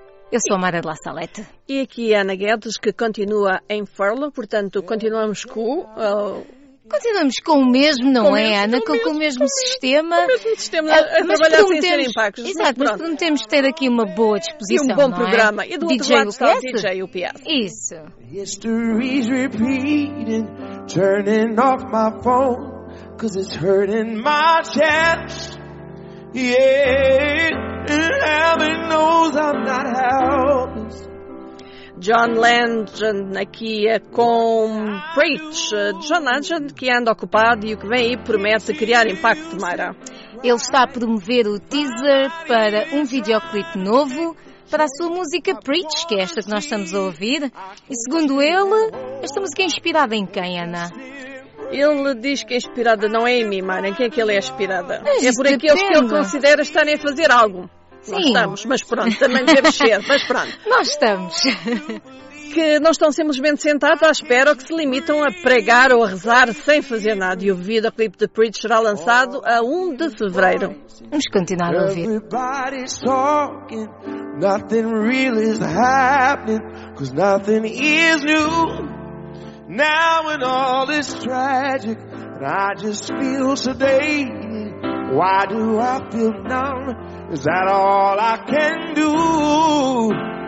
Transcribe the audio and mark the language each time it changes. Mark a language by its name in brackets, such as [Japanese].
[Portuguese] Eu sou a Mara de La Salete. E aqui a Ana Guedes, que continua em furlough, portanto, continuamos com... Continuamos com o mesmo, não com é, mesmo, Ana? Com o mesmo sistema. Com o mesmo sistema, a trabalhar sem ser impactos. Exato, mas prometemos ter aqui uma boa disposição, e um bom programa. É? E do outro DJ lado UPS? Está o DJ UPS. Isso. [English] History's repeating, turning off my phone, cause it's hurting my chest. Yeah, heaven knows I'm not helpless. [Portuguese] John Legend aqui com Preach. John Legend, que anda ocupado e o que vem aí promete criar impacto, Mara. Ele está a promover o teaser para um videoclipe novo para a sua música Preach, que é esta que nós estamos a ouvir. E segundo ele, esta música é inspirada em quem, Ana? Ele diz que é inspirada não é em mim, Mara. Em quem é que ele é inspirada? Mas é por aqueles que ele considera estarem a fazer algo. Sim. Nós estamos, mas pronto, também devemos ser, mas pronto. Nós estamos. Que não estão simplesmente sentados à espera ou que se limitam a pregar ou a rezar sem fazer nada. E o videoclipe de Preach será lançado a 1 de fevereiro. Vamos continuar a ouvir. [English] Everybody's talking, nothing really is happening, cause nothing is new. Now when all is tragic, I just feel sedated. Why do I feel numb? Is that all I can do?